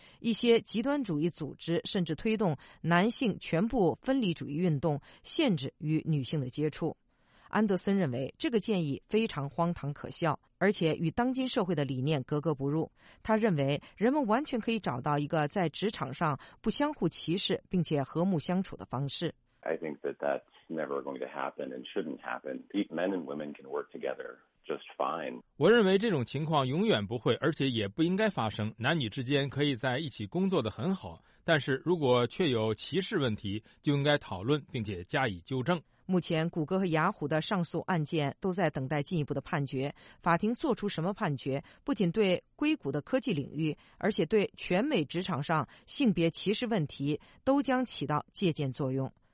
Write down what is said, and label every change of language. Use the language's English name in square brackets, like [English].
[Chinese] 一些极端主义组织甚至推动男性全部分离主义运动，限制与女性的接触。安德森认为这个建议非常荒唐可笑，而且与当今社会的理念格格不入。他认为人们完全可以找到一个在职场上不相互歧视并且和睦相处的方式。 [English] I think that that's never going to happen and shouldn't happen. Men and women can work together just fine. [Chinese] 我认为这种情况永远不会，而且也不应该发生。男女之间可以在一起工作得很好，但是如果确有歧视问题，就应该讨论并且加以纠正。目前谷歌和雅虎的上诉案件都在等待进一步的判决。法庭做出什么判决，不仅对硅谷的科技领域，而且对全美职场上性别歧视问题都将起到借鉴作用。